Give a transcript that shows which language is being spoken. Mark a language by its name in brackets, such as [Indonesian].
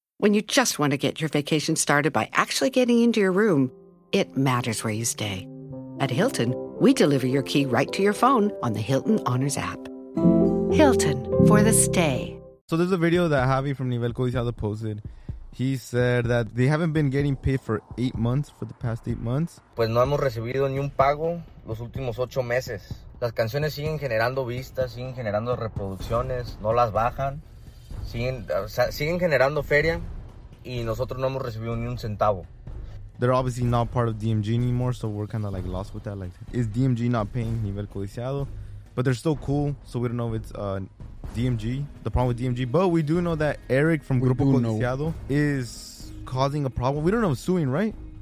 [English] When you just want to get your vacation started by actually getting into your room, it matters where you stay. At Hilton, we deliver your key right to your phone on the Hilton Honors app. Hilton, for the stay. So there's a video that Javi from Nivel Codiciado posted. He said that they haven't been getting paid for 8 months, for the past 8 months. [Spanish] Pues no hemos recibido ni un pago los últimos 8 meses. Las canciones siguen generando vistas, siguen generando reproducciones, no las bajan. Siguen generando feria y nosotros no hemos recibido ni un centavo. [English] They're obviously not part of DMG anymore, so we're kind of like lost with that. Like, is DMG not paying Nivel Codiciado? But they're still cool, so we don't know if it's DMG, the problem with DMG. But we do know that Eric from Grupo Codiciado is causing a problem. We don't know, suing, right?